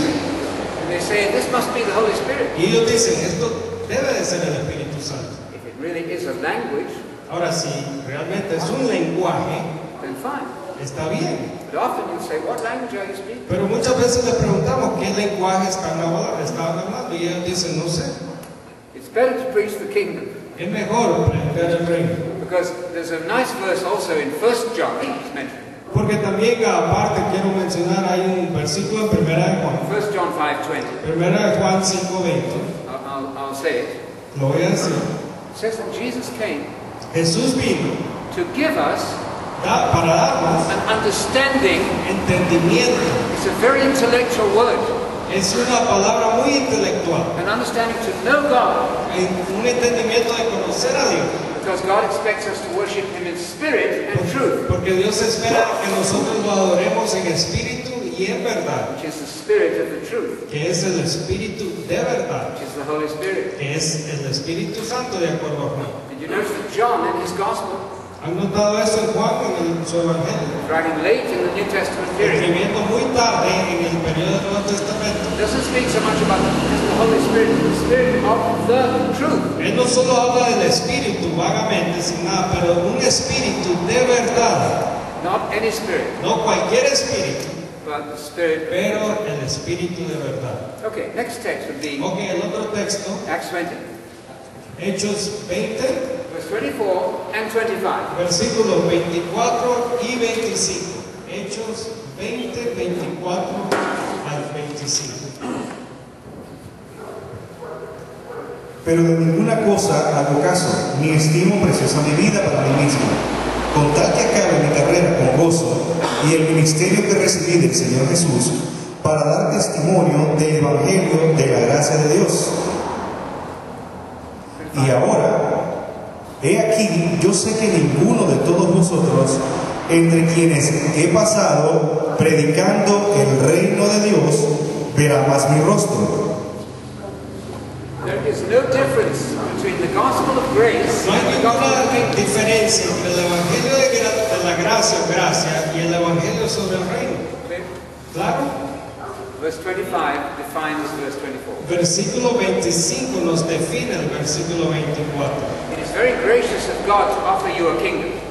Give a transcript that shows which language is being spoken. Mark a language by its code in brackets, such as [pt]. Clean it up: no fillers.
[en] And they say this must be the Holy Spirit. [es] Y ellos dicen esto debe de ser el Espíritu Santo. [en] If it really is a language. [es] Ahora sí, realmente es un lenguaje. [en] Then fine. [es] Está bien. [en] But often you say, what language are you speaking? [es] Pero muchas veces les preguntamos qué lenguaje están hablando y ellos dicen no sé. [en] It's better to preach the kingdom. [es] Es mejor predicar el reino. [en] Because there's a nice verse also in 1 John. [es] Porque también aparte quiero mencionar hay un versículo en 1 Juan. [en] 1 John 5:20. [es] 1 Juan 5:20. [en] I'll say it. [es] Lo voy a decir. [en] Says that Jesus came. [es] Jesús vino. [en] To give us. [es] Para darnos [en] an understanding. [es] Entendimiento. [en] It's a very intellectual word. [es] Es una palabra muy intelectual. [en] An understanding to know God. [es] Un entendimiento de conocer a Dios. [en] Because God expects us to worship Him in spirit and truth. [es] Porque Dios espera que nosotros lo adoremos en espíritu y en verdad. [en] Which is the spirit of the truth. [es] Que es el espíritu de verdad. [en] Which is the Holy Spirit. [es] Que es el Espíritu Santo, de acuerdo a Juan. [en] And you notice that John in his gospel. [es] ¿Han notado eso en Juan en su evangelio? [en] Writing late in the New Testament period. [es] Escribiendo muy tarde en el periodo del Nuevo Testamento. [en] Doesn't speak so much about the Holy Spirit, the Spirit of the truth. [es] Él no solo habla del Espíritu vagamente, sin nada, pero un Espíritu de verdad. [en] Not any Spirit. [es] No cualquier Espíritu. [en] But the Spirit. [es] Pero el Espíritu de verdad. [en] Okay, next text would be. [es] Okay, el otro texto. [en] Acts 20. [es] Hechos 20. [en] Verse 24 and 25. [es] Versículos 24 y 25. Hechos 20, 24 al 25. Pero de ninguna cosa hago caso, ni estimo preciosa mi vida para mí mismo, con tal que acabe mi carrera con gozo y el ministerio que recibí del Señor Jesús para dar testimonio del Evangelio de la gracia de Dios. Y ahora, he aquí, yo sé que ninguno de todos vosotros, entre quienes he pasado predicando el reino de Dios, verá más mi rostro. [en] There is no difference between the gospel of grace. [es] No hay ninguna diferencia entre el evangelio de la gracia y el evangelio sobre el reino. Claro. [en] Verse 25 defines verse 24. [es] Versículo 25 nos define el versículo 24. [en] It is very gracious of God to offer you a kingdom.